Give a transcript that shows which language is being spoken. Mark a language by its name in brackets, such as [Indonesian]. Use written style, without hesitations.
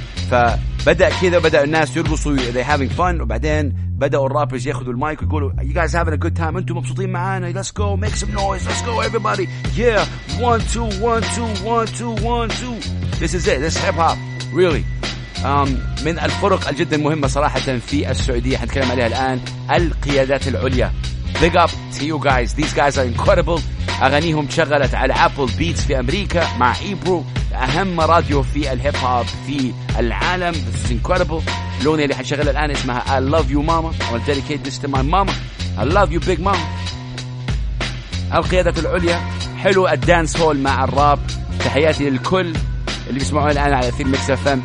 [Arabic] فبدأ كذا, بدأ الناس يرقصوا [English] they having fun, [Arabic] وبعدين بدأوا الرابرز ياخذوا المايك ويقولوا [English] you guys having a good time, [Arabic] انتم مبسوطين معانا, [English] let's go make some noise, let's go everybody, yeah, 1 2 1 2 1 2 1 2, this is it, this is hip hop really. [Arabic] من الفرق الجدا مهمة صراحة في السعودية حنتكلم عليها الآن, القيادات العليا. [English] Big up to you guys, these guys are incredible. [Arabic] أغانيهم شغلت على أبل بيتس في أمريكا مع إيبرو, أهم راديو في الهيب هوب في العالم. [English] This is incredible. [Arabic] لوني اللي حشغل الآن اسمها [English] I love you mama, I will dedicate this to my mama, I love you big mama. [Arabic] القيادة العليا, حلو الدانس هول مع الراب. تحياتي للكل اللي بيسمعوني الآن على فيلم ميكس أفام.